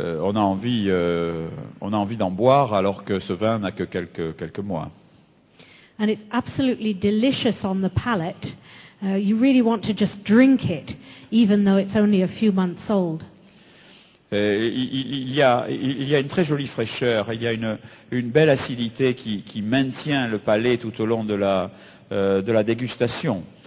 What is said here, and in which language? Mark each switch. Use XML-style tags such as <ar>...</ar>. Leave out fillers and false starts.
<fr>On a envie d'en boire alors que ce vin n'a que quelques mois.</fr> <en>And it's absolutely delicious on the palate. You really want to just drink it, even though it's only a few months old.</en> <fr>Il y a une très jolie fraîcheur, il y a une belle acidité qui maintient le palais tout au long de la dégustation.</fr>